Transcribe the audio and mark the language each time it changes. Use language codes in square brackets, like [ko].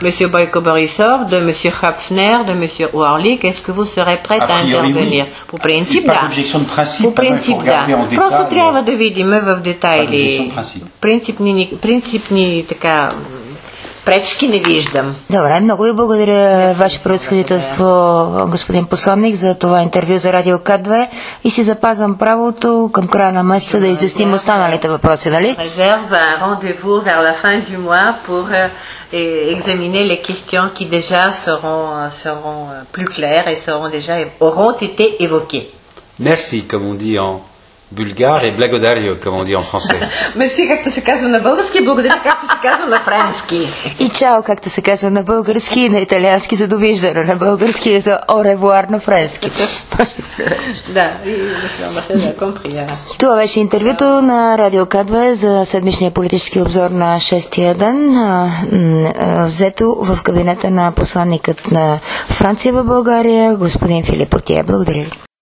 [fr] Monsieur Boyko Borisov, de monsieur Hapfner, de monsieur Warlik, est-ce que vous serez prêt à intervenir? [bg] По принцип, да. По принцип, да. Просто трябва да видим в детайли. Принципни така пречки не виждам. Добре, много ви благодаря, ваше превъзходителство, господин посланник, за това интервю за Радио К2 и си запазвам правото към края на месеца да изясним останалите въпроси, нали? [fr] Резерва рандеву вер ла фин ду муа пор examiner les questions qui déjà seront plus claires et seront déjà auront été évoquées. Merci, comme on dit en bulgare, et [bg] благодарю, [fr] comme on dit en français. [bg] Merci, както се казва на български, благодаря, както се казва на френски. И чао, както се казва на български, на италиански, за довиждане, на български, за au revoir на френски. Да, и комприя. Това беше интервюто на Радио К2 за седмичния политически обзор на 6-я ден, взето в кабинета на посланникът на Франция в България, господин Филип Отие. Благодаря ви.